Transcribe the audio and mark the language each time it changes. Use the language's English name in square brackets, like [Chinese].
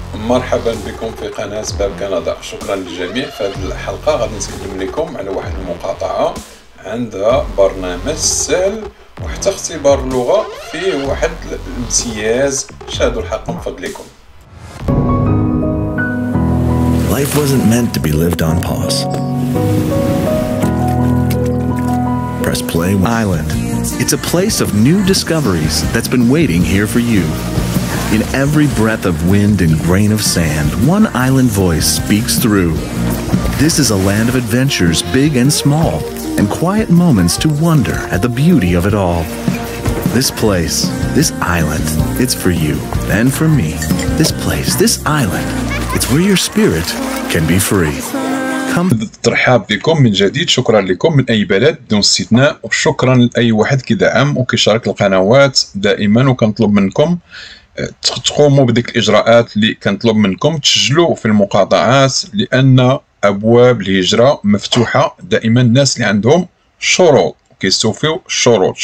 [Arabic] مرحبا بكم في قناة سباب كندا. شكرا للجميع. في هذه الحلقة غادي نتكلم لكم على واحد المقاطعة عندها برنامج سهل وحتى اختبار اللغة فيه واحد الامتياز. شاهدوا الحلقة من فضلكم. [English] Life wasn't meant to be lived on pause. Press play. Island. It's a place of new discoveries that's been waiting here for you. In every breath of wind and grain of sand, one island voice speaks through. This is a land of adventures, big and small, and quiet moments to wonder at the beauty of it all. This place, this island, it's for you and for me. This place, this island, it's where your spirit can be free. [Arabic] ترحاب بكم من جديد. شكرا لكم من اي بلد دون استثناء, وشكرا لاي واحد كيدعم وكيشارك القنوات دائما. وكنطلب منكم تقوموا بديك الاجراءات اللي كنطلب منكم, تسجلوا في المقاطعات, لان ابواب الهجره مفتوحه دائما الناس اللي عندهم شروط كيستوفيو الشروط.